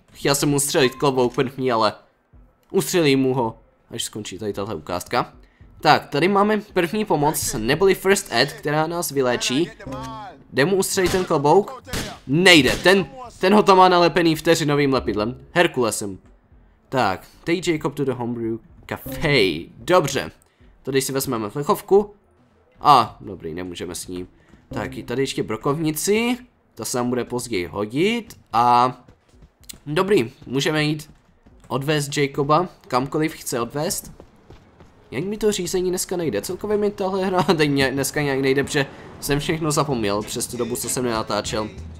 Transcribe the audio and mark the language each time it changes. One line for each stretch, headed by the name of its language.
Czech: Chtěl jsem mu střelit klobouk první, ale... Ustřelím mu ho, až skončí tady tato ukázka. Tak, tady máme první pomoc, neboli first aid, která nás vyléčí. Jde mu ustřelit ten klobouk? Nejde, ten ho tam má nalepený vteřinovým lepidlem. Herkulesem.
English: Tak, take Jacob to the homebrew cafe.
Czech: Dobře. Tady si vezmeme flechovku. Dobrý, nemůžeme s ním. Tak, i tady ještě brokovnici. Ta se nám bude později hodit. A Dobrý, můžeme jít odvést Jacoba, kamkoliv chce odvést. Jak mi to řízení dneska nejde, celkově mi tahle hra dneska nějak nejde, protože jsem všechno zapomněl přes tu dobu, co jsem nenatáčel.